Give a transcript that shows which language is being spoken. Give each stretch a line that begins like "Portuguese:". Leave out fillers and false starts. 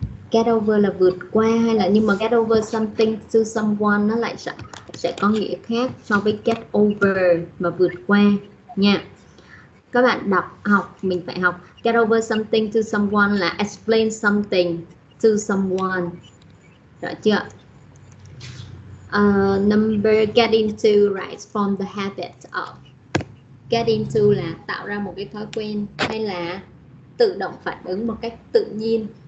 Vietnamese: Get over là vượt qua hay là nhưng mà
English: get over something to someone
Vietnamese: nó lại sẽ có nghĩa khác so với get over mà vượt qua nha. Các bạn đọc học mình phải học
English: get over something to someone
Vietnamese: là
English: explain something to someone.
Vietnamese: Rõ chưa?
English: Number get into right from the habit of.
Vietnamese: Get into là tạo ra một cái thói quen hay là tự động phản ứng một cách tự nhiên.